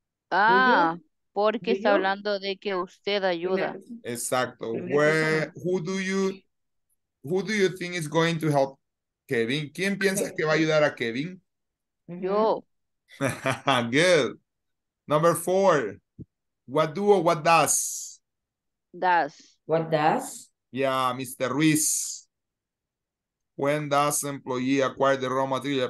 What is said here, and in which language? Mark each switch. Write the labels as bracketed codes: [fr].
[es] Ah, porque está hablando de que usted ayuda. Exacto. [en] Who do you think is going to help Kevin? [es] ¿Quién piensa que va a ayudar a Kevin? Yo. [en] Good. Number 4, what do or what does? Does. What does? Yeah, Mr. Ruiz. When does employee acquire the raw material?